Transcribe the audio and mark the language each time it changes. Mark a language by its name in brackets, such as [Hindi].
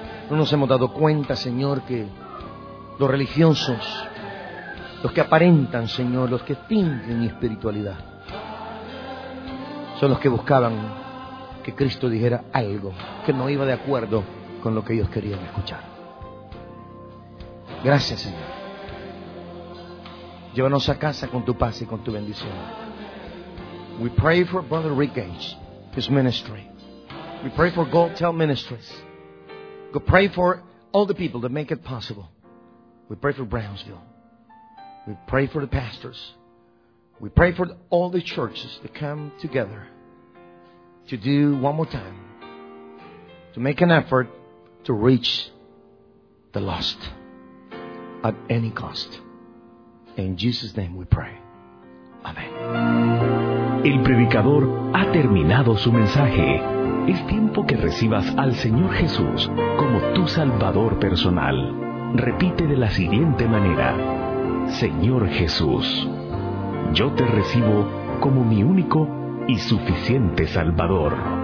[Spanish] No nos hemos dado cuenta, Señor, que los religiosos, los que aparentan, Señor, los que fingen espiritualidad, son los que buscaban que Cristo dijera algo que no iba de acuerdo con lo que ellos querían escuchar. Gracias, Señor. Llévanos a casa con tu paz y con tu bendición. [English] We pray for Brother Rick Gage, his ministry. We pray for Gold Tell Ministries. We pray for all the people that make it possible. We pray for Brownsville. We pray for the pastors. We pray for all the churches to come together to do one more time, to make an effort to reach the lost at any cost. In Jesus' name we pray. Amen. [Spanish] El predicador ha terminado su mensaje. Es tiempo que recibas al Señor Jesús como tu Salvador personal. Repite de la siguiente manera: Señor Jesús, yo te recibo como mi único y suficiente Salvador.